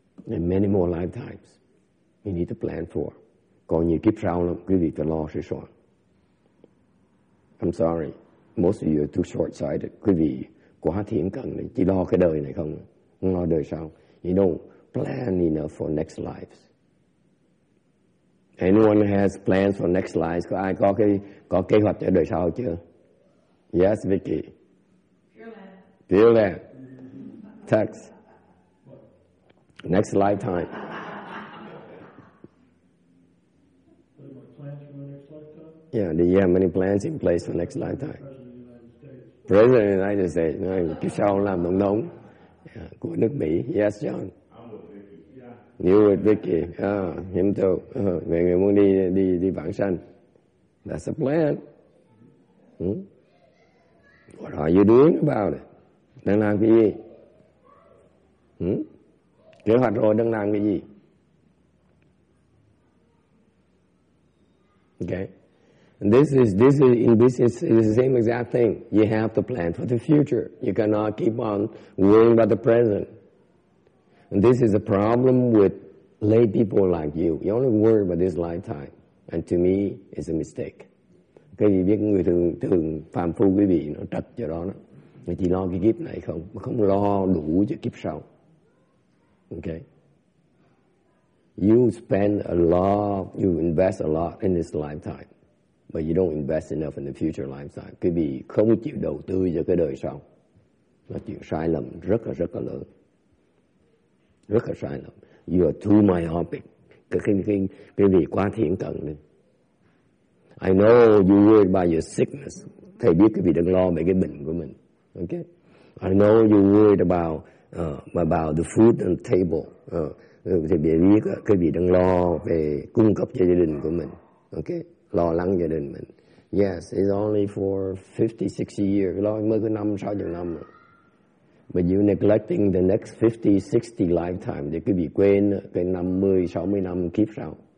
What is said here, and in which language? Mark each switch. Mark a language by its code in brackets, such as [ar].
[en] And many more lifetimes you need to plan for. [vi] Còn nhiều kiếp sau lắm, quý vị phải lo sửa soạn. [en] I'm sorry, most of you are too short-sighted. [vi] Quý vị quá thiển cận, chỉ lo cái đời này không, không lo đời sau. [en] You don't plan enough for next lives. Anyone has plans for next lives? [vi] Có ai có kế hoạch cho đời sau chưa? [en] Yes, Vicky. Feel that. Text. Next lifetime. Yeah, do you have many plans in place for next lifetime? President of the United States. President of the United States. [vi] Cái sao làm đông đông của nước Mỹ. [en] Yes, John. I'm with Vicky. Yeah. You with Vicky. Ah, him too. [vi] Người người muốn đi vãng sanh. [en] That's a plan. What are you doing about it? [vi] Đang làm cái gì? Kế hoạch rồi đang làm cái gì? [en] Okay. This is in business, it's the same exact thing. You have to plan for the future. You cannot keep on worrying about the present. And this is a problem with lay people like you. You only worry about this lifetime. And to me, it's a mistake. [vi] Cái gì biết người thường thường phàm phu quý vị nó trật cho đó. Người chỉ lo cái kiếp này không, mà không lo đủ cho kiếp sau. [en] Okay? You spend a lot, you invest a lot in this lifetime. But you don't invest enough in the future lifetime. [vi] Quý vị không chịu đầu tư cho cái đời sau. Nó chịu sai lầm rất là lớn. Rất là sai lầm. [en] You are too myopic. [vi] Quý vị quá thiển cận đi. [en] I know you worry about your sickness. [vi] Thầy biết quý vị đang lo về cái bệnh của mình. [en] Okay? I know you worried about the food on the table. [vi] Thầy biết quý vị đang lo về cung cấp cho gia đình của mình. [en] Okay? [vi] Lo lắng gia đình mình. [en] Yes, it's only for 50, 60 years. [vi] Lo mới có 5, 6 chục năm. [en] But you neglecting the next 50, 60 lifetime. [vi] Để quý vị quên cái 50, 60 năm kiếp sau.